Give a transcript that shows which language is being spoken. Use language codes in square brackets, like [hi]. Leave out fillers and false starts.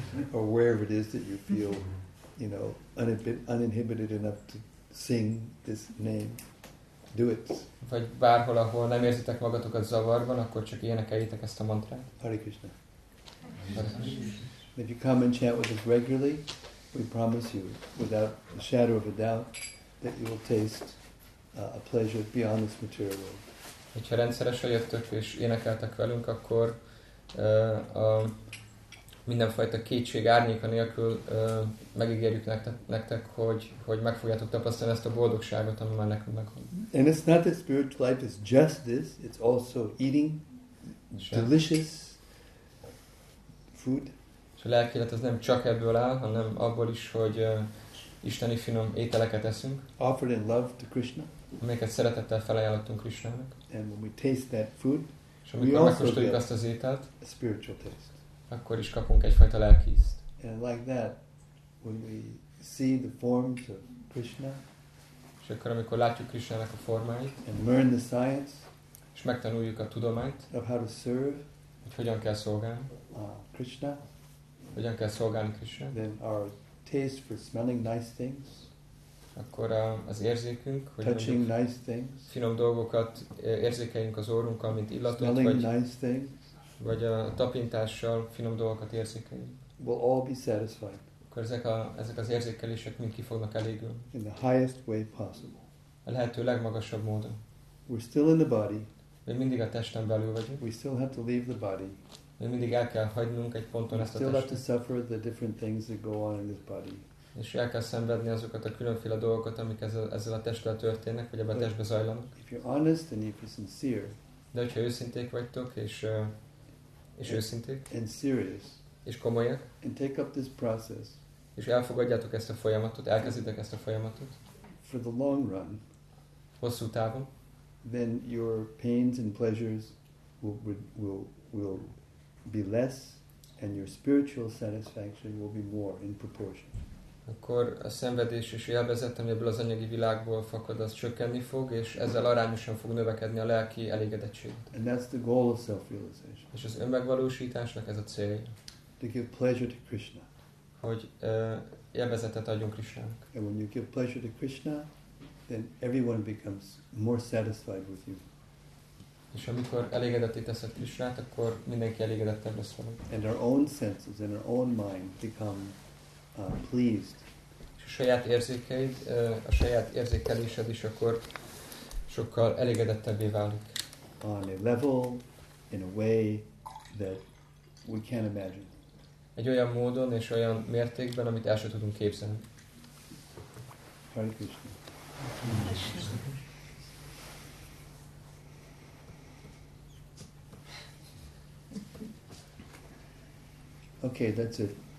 [en] Or wherever it is that you feel, you know, uninhibited enough to sing this name, do it. [hu] Vagy bárhol, ahol nem érzitek magatokat zavarban, akkor csak énekeljétek ezt a mantrát. [en] Hare Krishna. If you come and chant with us regularly, we promise you, without a shadow of a doubt, that you will taste a pleasure beyond this material world. [hu] Hogyha rendszeresen jöttök és énekeltek velünk, akkor mindenfajta kétség árnyéka nélkül megígérjük nektek, hogy meg fogjátok tapasztalni ezt a boldogságot, ami már nekünk megvan. [en] And it's not that spiritual life is just this, it's also eating delicious food. [hu] És a lelki élet az nem csak ebből áll, hanem abból is, hogy isteni finom ételeket eszünk. [en] Offered in love to Krishna. [hu] Amelyeket szeretettel felajánlottunk Krishnának. [en] And when we taste that food, we also get [hu] azt az ételt, [en] a spiritual taste. [hu] Akkor is kapunk egyfajta lelki ízt. [en] And like that, when we see the forms of Krishna, [hu] és akkor, amikor látjuk Krishnának a formáit, [en] and learn the science, [hu] és megtanuljuk a tudományt, [en] of how to serve, [hu] hogy hogyan kell szolgálni, [en] Krishna, [hu] hogyan kell szolgálni Krishna, [en] then our taste for smelling nice things, [hu] akkor az érzékünk, hogy [en] touching nice things, [hu] finom dolgokat érzékeljünk az orrunkkal, mint illatot, [en] smelling [hu] vagy [en] nice things, [hu] vagy a tapintással finom dolgokat érzékeljünk. [en] Will all be satisfied. [hu] Akkor ezek az érzékelések mind ki fognak elégülni. [en] In the highest way possible. [hu] A lehető legmagasabb módon. [en] We're still in the body. [hu] Mi mindig a testen belül vagyunk. [en] We still have to leave the body. [hu] Mi mindig el kell hagynunk egy ponton [en] we [hu] ezt a testet. [en] Have to suffer the different things that go on in this body. [hu] És el kell szenvedni azokat a különféle dolgokat, amik ezzel a testtel történnek, vagy ebben a testben zajlanak. [en] If you're honest and if you're sincere, [hu] de hogyha őszinték vagytok, és őszinték, [en] and serious, [hu] és komolyak, [en] and take up this process, [hu] és elfogadjátok ezt a folyamatot, elkezditek ezt a folyamatot, [en] for the long run, [hu] hosszú távon, [en] then your pains and pleasures will be less, and your spiritual satisfaction will be more in proportion. [hu] Akkor a szenvedés és élvezet, ami ebből az anyagi világból fakad, az csökkenni fog, és ezzel arányosan fog növekedni a lelki elégedettség. [en] And that's the goal of self-realization. [hu] És az önmegvalósításnak ez a cél. [en] To give pleasure to Krishna. [hu] Hogy élvezetet adjunk Krishnának. [en] And when you give pleasure to Krishna, then everyone becomes more satisfied with you. [hu] És amikor elégedetté teszed Krisnát, akkor mindenki elégedettebb lesz valami. [en] And our own senses and our own mind become pleased. [hu] És a saját érzékeid, a saját érzékelésed is akkor sokkal elégedettebbé válik. [en] On a level, in a way that we can't imagine. [hu] Egy olyan módon és olyan mértékben, amit el sem tudunk képzelni. [en] Hare Krishna. Okay, that's it.